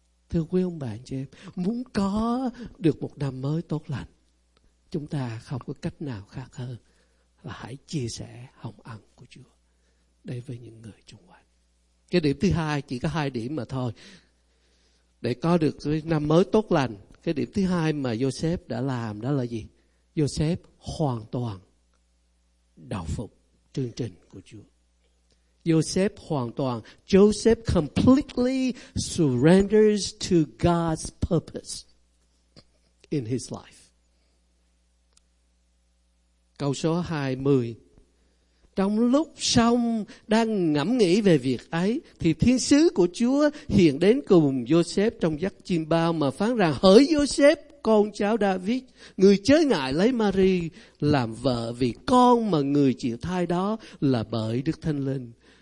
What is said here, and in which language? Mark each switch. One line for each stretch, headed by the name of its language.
Vietnamese: Thưa quý ông bà anh chị em, muốn có được một năm mới tốt lành, chúng ta không có cách nào khác hơn là hãy chia sẻ hồng ân của Chúa đến với những người xung quanh. Cái điểm thứ hai, chỉ có hai điểm mà thôi. Để có được cái năm mới tốt lành, cái điểm thứ hai mà Joseph đã làm đó là gì? Joseph hoàn toàn đạo phục chương trình của Chúa.
English: Joseph
Vietnamese: hoàn toàn,
English: Joseph completely surrenders to God's purpose in his life.
Vietnamese: Câu số 20. Trong lúc xong đang ngẫm nghĩ về việc ấy, thì thiên sứ của Chúa hiện đến cùng Joseph trong giấc chiêm bao mà phán rằng: Hỡi Joseph, con cháu David, người chớ ngại lấy Mary làm vợ, vì con mà người chịu thai đó là bởi Đức Thánh Linh.